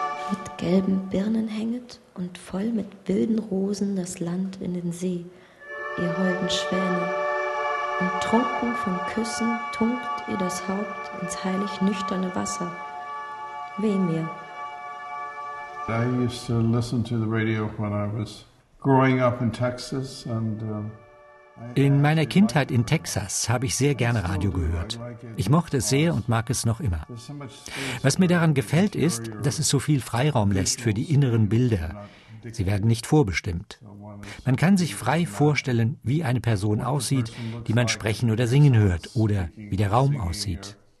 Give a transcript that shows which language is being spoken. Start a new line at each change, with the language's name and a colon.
German: Mit gelben Birnen hänget und voll mit wilden Rosen das Land in den See, ihr holden Schwäne. Und trunken von Küssen tunkt ihr das Haupt ins heilig nüchterne Wasser. Weh mir.
English: I used to listen to the radio when I was growing up in Texas and
German: In meiner Kindheit in Texas habe ich sehr gerne Radio gehört. Ich mochte es sehr und mag es noch immer. Was mir daran gefällt, ist, dass es so viel Freiraum lässt für die inneren Bilder. Sie werden nicht vorbestimmt. Man kann sich frei vorstellen, wie eine Person aussieht, die man sprechen oder singen hört, oder wie der Raum aussieht.